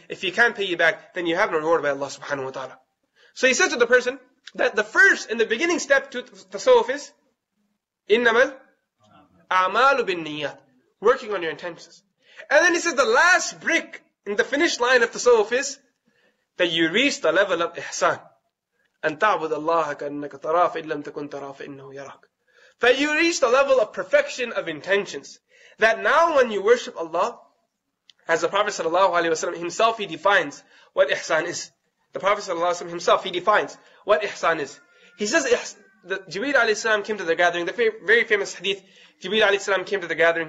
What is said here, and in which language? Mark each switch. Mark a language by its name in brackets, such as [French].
[English] If he can't pay you back, then you have no reward by Allah subhanahu wa ta'ala. So he said to the person, that the first and the beginning step to tasawwuf is, [Arabic] innamal a'malu bin niyyat, [English] working on your intentions. And then he said the last brick in the finish line of tasawwuf is, that you reach the level of ihsan. [Arabic] أن تعبد الله كأنك ترى فإن لم تكن ترى فإنه يراك. [English] That you reach the level of perfection of intentions. That now when you worship Allah, as the Prophet sallallahu alaihi wasallam himself, he defines what ihsan is. The Prophet sallallahu alaihi wasallam himself, he defines what ihsan is. He says, Jibreel alayhi salam came to the gathering. The very famous hadith, Jibreel alayhi salam came to the gathering.